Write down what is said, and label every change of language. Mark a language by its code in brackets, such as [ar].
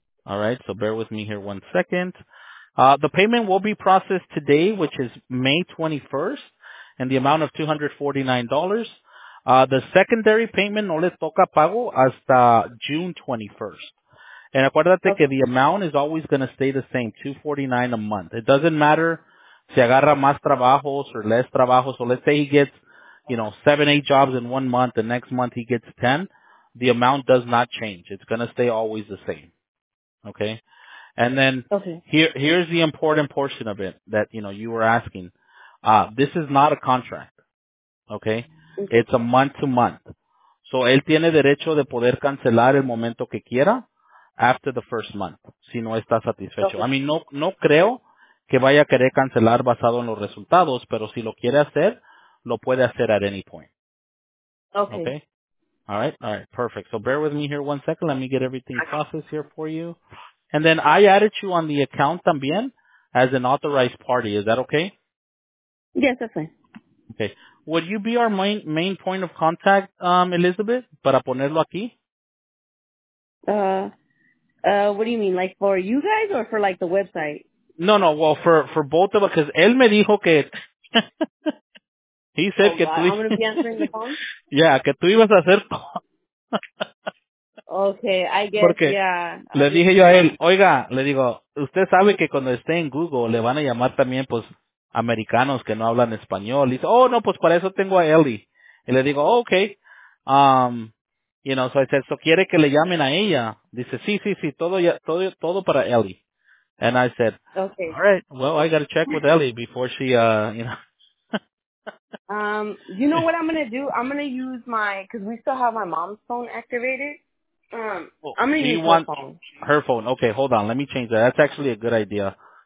[en] All right, so bear with me here one second. The payment will be processed today, which is May 21st, and the amount of $249. The secondary payment [es] no le toca pago hasta [en] June 21st. And [es] acuérdate que [en] the amount is always going to stay the same, $249 a month. It doesn't matter [es] si agarra más trabajos [en] or less [es] trabajos. [en] So let's say he gets, you know, 7-8 jobs in 1 month. The next month he gets 10. The amount does not change. It's going to stay always the same. Okay? And then here's the important portion of it that, you know, you were asking. This is not a contract. Okay? It's a month-to-month. [es] So, él tiene derecho de poder cancelar el momento que quiera [en] after the first month, [es] si no está satisfecho. [en] Okay. [es] I mean, no creo que vaya a querer cancelar basado en los resultados, pero si lo quiere hacer, lo puede hacer [en] at any point. Okay. All right. All right. Perfect. So bear with me here one second. Let me get everything processed here for you. And then I added you on the account [es] también [en] as an authorized party. Is that okay? Yes, that's fine. Okay. Would you be our main point of contact, Elizabeth, [es] para ponerlo aquí? [en] What do you mean? Like for you guys or for like the website? No, no. Well, for both of us, because [es] él me dijo que... [en] He said [es] que tú... [en] I'm going to be answering the phone? [es] Yeah, que tú ibas a hacer... [en] Okay, I guess, [es] porque [en] yeah. [es] Le dije yo a él, oiga, le digo, usted sabe que cuando esté en Google le van a llamar también, pues, americanos que no hablan español. Y dice, oh, no, pues para eso tengo a Ellie. Y le digo, oh, okay. [en] You know, so I said, so [es] quiere que le llamen a ella. Dice, sí, sí, sí, todo ya, todo, todo para Ellie. [en] And I said, okay. All right, well, I got to check with Ellie before she, you know. You know what I'm going to do? I'm going to use my, because we still have my mom's phone activated. I'm going to use her phone. Her phone. Okay, hold on. Let me change that. That's actually a good idea.